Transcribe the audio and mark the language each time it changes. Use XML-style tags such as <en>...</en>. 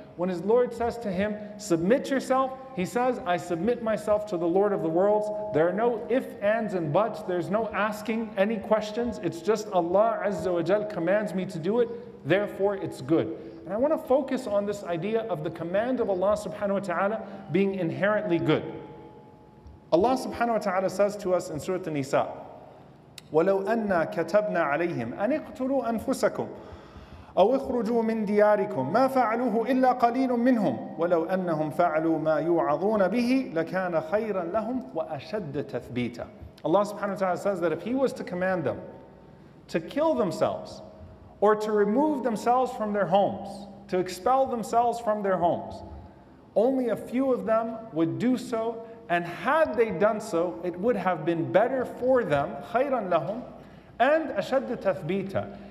<en>When his Lord says to him, submit yourself, he says, I submit myself to the Lord of the worlds. There are no ifs, ands, and buts. There's no asking any questions. It's just Allah Azza wa Jal commands me to do it, therefore it's good. And I want to focus on this idea of the command of Allah subhanahu wa ta'ala being inherently good. Allah subhanahu wa ta'ala says to us in Surah An-Nisa,</en> <ar>وَلَوْ أَنَّا كَتَبْنَا عَلَيْهِمْ أَنِ اقْتُلُوا أَنفُسَكُمْ أَوْ اخْرُجُوا مِنْ دِيَارِكُمْ مَا فَعَلُوهُ إِلَّا قَلِيلٌ مِّنْهُمْ وَلَوْ أَنَّهُمْ فَعَلُوا مَا يُوعَظُونَ بِهِ لَكَانَ خَيْرًا لَهُمْ وَأَشَدَّ تَثْبِيتًا.</ar> <en>Allah subhanahu wa ta'ala says that if He was to command them to kill themselves, or to remove themselves from their homes, to expel themselves from their homes, only a few of them would do so, And had they done so, it would have been better for them,</en> <ar>خَيْرًا لَهُمْ</ar> <en>and</en> <ar>أشد تَثْبِيتًا.</ar>